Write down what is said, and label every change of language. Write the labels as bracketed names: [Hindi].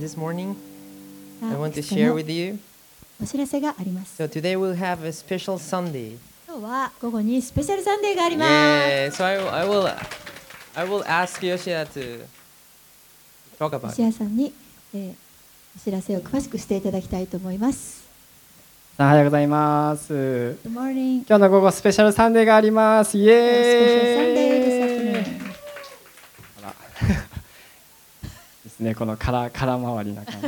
[English] This morning, I want to share with you. [Japanese] お知らせがあります。 [English] So today we'll have a special Sunday. [Japanese] 今日は午後にスペシャルサンデーがあります。 [English] Yeah, so I will ask Yoshida to talk about. [Japanese] 吉田さんに、お知らせを詳しくしていただきたいと思います。おはようございます。 [English] Good morning. [Japanese] 今日の午後スペシャルサンデーがあります。イエーイ。スペシャルサンデーです。ね、この空回りな感じ。